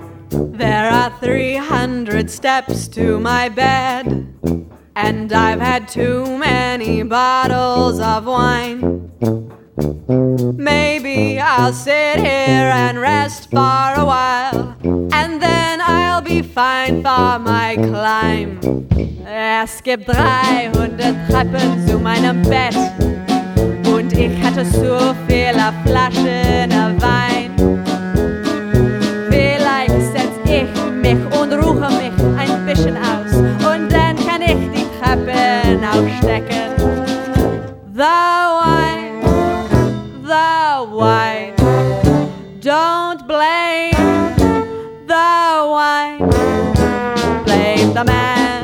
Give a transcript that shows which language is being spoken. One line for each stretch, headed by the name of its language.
English: There are 300 steps to my bed, and I've had too many bottles of wine. Maybe I'll sit here and rest for a while, and then I'll be fine for my climb.
German: Es gibt 300 Treppen zu meinem Bett, und ich hatte so viele Flaschen Wein. Vielleicht setz ich mich und ruhe mich ein bisschen aus, und dann kann ich die Treppen aufstecken.
English: The wine, the wine, don't blame the wine, blame the man.